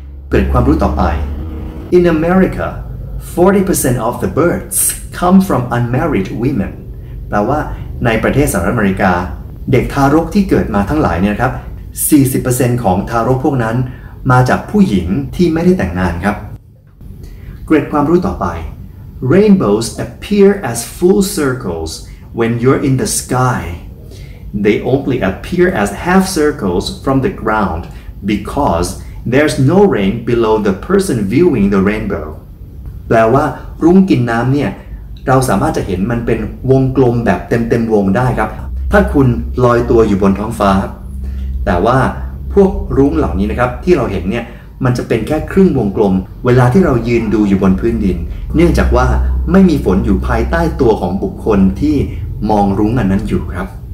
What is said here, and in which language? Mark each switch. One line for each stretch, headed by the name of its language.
Thai: เกิดความรู้ต่อไป
English: In America 40% of the births come from unmarried women
Thai: แปลว่าในประเทศสหรัฐอเมริกาเด็กทารกที่เกิดมาทั้งหลายเนี่ยครับ 40% ของทารกพวกนั้นมาจากผู้หญิงที่ไม่ได้แต่งงานครับเกร็ดความรู้ต่อไป
English: Rainbows appear as full circles when you're in the sky. They only appear as half circles from the ground because there's no rain below the person viewing the rainbow.
Thai: แปลว่ารุ้งกินน้ำเนี่ยเราสามารถจะเห็นมันเป็นวงกลมแบบเต็มๆวงได้ครับถ้าคุณลอยตัวอยู่บนท้องฟ้าแต่ว่าพวกรุ้งเหล่านี้นะครับที่เราเห็นเนี่ยมันจะเป็นแค่ครึ่งวงกลมเวลาที่เรายืนดูอยู่บนพื้นดินเนื่องจากว่าไม่มีฝนอยู่ภายใต้ตัวของบุคคลที่มองรุ้งอันนั้นอยู่ครับ